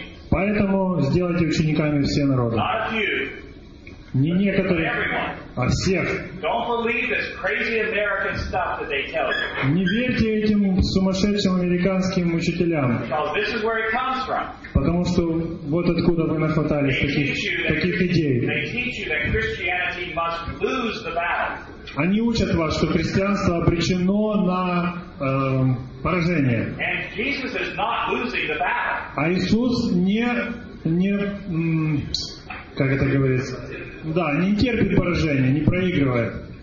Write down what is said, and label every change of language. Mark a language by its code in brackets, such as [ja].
[ru] Поэтому сделайте учениками все народы. Не некоторые, а всех. [en] Don't believe this crazy American stuff that they tell you. [ru] Не верьте этим сумасшедшим американским учителям. [en] Because this is where it comes from. [ru] Потому что вот откуда вы нахватались таких идей. [en] They teach you that Christianity must lose the battle. [ru] Они учат вас, что христианство обречено на поражение. [en] And Jesus is not losing the battle. [ru] А Иисус как это говорится? Да, не терпит поражения, не проигрывает.